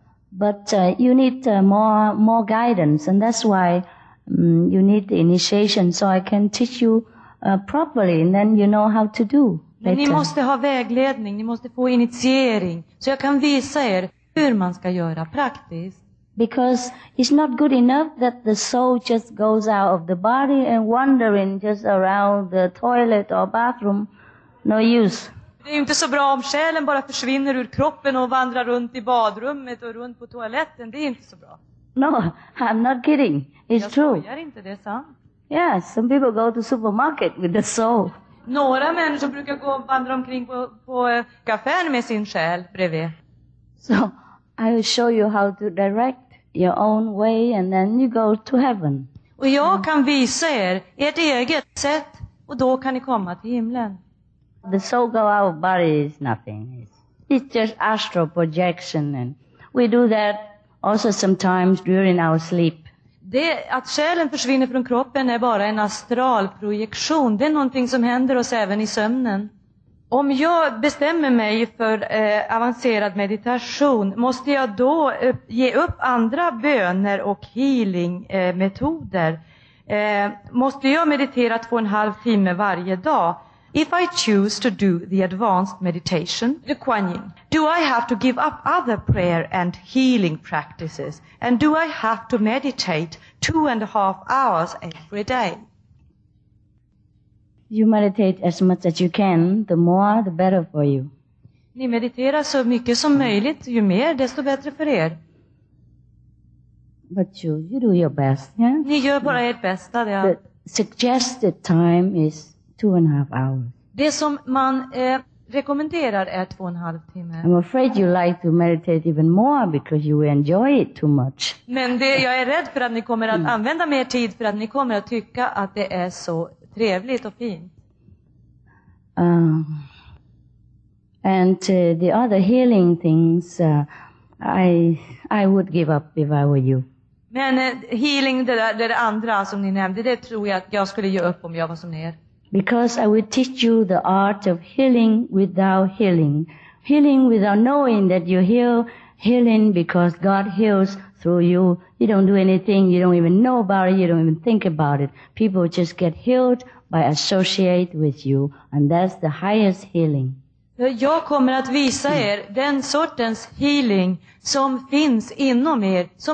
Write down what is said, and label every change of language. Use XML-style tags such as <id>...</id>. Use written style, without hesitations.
<en>But you need more guidance, and that's why you need the initiation, so I can teach you properly, and then you know how to do.</en> <sv>Men ni måste ha vägledning, ni måste få initiering, så jag kan visa er hur man ska göra praktiskt.</sv> <en>Because it's not good enough that the soul just goes out of the body and wandering just around the toilet or bathroom, no use.</en> <sv>Det är inte så bra om själen bara försvinner ur kroppen och vandrar runt i badrummet och runt på toaletten. Det är inte så bra.</sv> <en>No, I'm not kidding. It's true.</en> <sv>Jag skojar inte, det är sant.</sv> <en>Yeah, some people go to supermarket with the soul.</en> <sv>Några människor brukar gå och vandra omkring på kaffén med sin själ bredvid.</sv> <en>So, I will show you how to direct your own way and then you go to heaven.</en> <sv>Och jag kan visa er ert eget sätt och då kan ni komma till himlen.</sv> <en>The soul go out of body is nothing. It's just astral projection. And we do that also sometimes during our sleep.</en> <sv>Det att själen försvinner från kroppen är bara en astral projektion. Det är någonting som händer oss även i sömnen. Om jag bestämmer mig för avancerad meditation, måste jag då ge upp andra böner och healing metoder? Måste jag meditera 2.5 timmar varje dag?</sv> <en>If I choose to do the advanced meditation, the Kuan Yin, do I have to give up other prayer and healing practices? And do I have to meditate 2.5 hours every day? You meditate as much as you can. The more, the better for you.</en> <sv>Ni mediterar så mycket som möjligt. Ju mer, desto bättre för er.</sv> <en>But you do your best, yeah?</en> <sv>Ni gör bara ert bästa, ja.</sv> <en>The suggested time is 2.5 hours.</en> <sv>Det som man rekommenderar är 2.5 timme.</sv> <en>I'm afraid you like to meditate even more because you enjoy it too much.</en> <sv>Men det, jag är rädd för att ni kommer att använda mer tid för att ni kommer att tycka att det är så trevligt och fint.</sv> <en>The other healing things, I would give up if I were you.</en> <sv>Men healing, det andra som ni nämnde, det tror jag att jag skulle ge upp om jag var som ni är.</sv> <en>Because I will teach you the art of healing without healing. Healing without knowing that you heal. Healing because God heals through you. You don't do anything. You don't even know about it. You don't even think about it. People just get healed by associate with you. And that's the highest healing.</en> <sv>Jag kommer att visa er den sortens healing som finns inom er.</sv>